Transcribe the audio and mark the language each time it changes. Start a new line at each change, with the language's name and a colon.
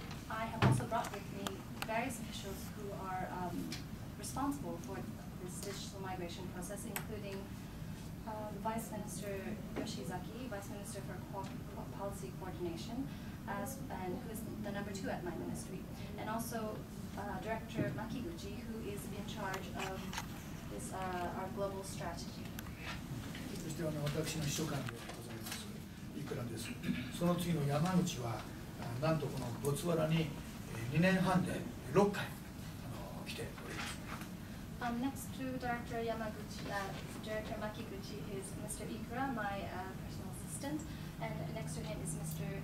English: I have also brought with meVarious officials who are responsible for this digital migration process, including Vice Minister Yoshizaki, Vice Minister for Policy Coordination, and who is the number two at my ministry, and also Director Makiguchi, who is in charge of this, our global strategy.
Japanese: そして私の秘書官でございます、いくらです。その次の山口は、なんとこのボツワナに2年半で6回来ております。
English: Next to Director Yamaguchi, Director Makiguchi is Mr. Ikura, my personal assistant, and next to him is Mr.